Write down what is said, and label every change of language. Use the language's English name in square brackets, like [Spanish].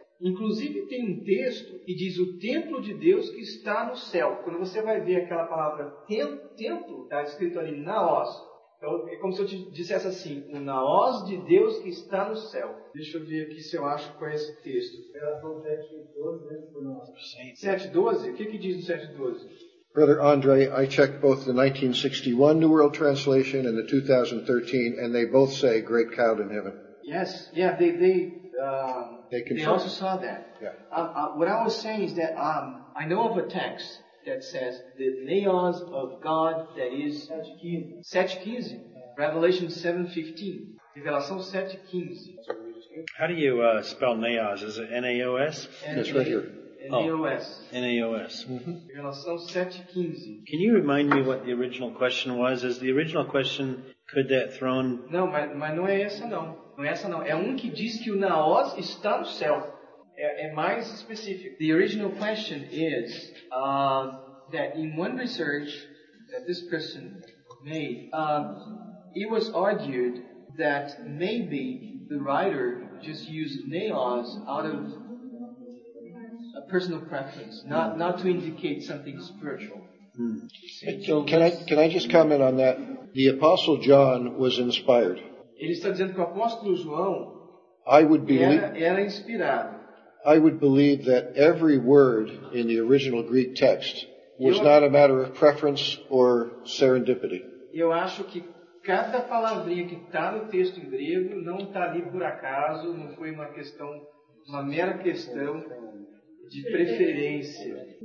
[Portuguese] Inclusive tem um texto que diz o templo de Deus que está no céu. Quando você vai ver aquela palavra templo, está escrito ali naos. Então, é como se eu te dissesse assim, o naos de Deus que está no céu. Deixa eu ver aqui se eu acho com esse texto. Revelação 7:12, o que diz no 7:12? [English] Brother Andre, I checked both the 1961 New World Translation and the 2013, and they both say great cloud in heaven. Yes, yeah, they also saw that. Yeah. What I was saying is that I know of a text that says the naos of God that is 7:15, Revelation 7:15, Revelação 7:15. How do you spell naos? Is it N-A-O-S? That's right here. N-A-O-S. Oh, N-A-O-S. [Portuguese] Mm-hmm. Revelação 7:15. [English] Can you remind me what the original question was? Is the original question, could that throne... [Portuguese] Não, mas não é essa não. Não é essa não. É um que diz que o naos está no céu. É mais específico. [English] The original question is that in one research that this person made, it was argued that maybe the writer just used naos out of a personal preference, not to indicate something spiritual. So can I just comment on that? The Apostle John was inspired. [Portuguese] Ele está dizendo que o apóstolo João era inspirado. [English] I would believe that every word in the original Greek text was not a matter of preference or serendipity. [Portuguese] Eu acho que cada palavrinha que está no texto em grego não está ali por acaso, não foi uma mera questão de preferência.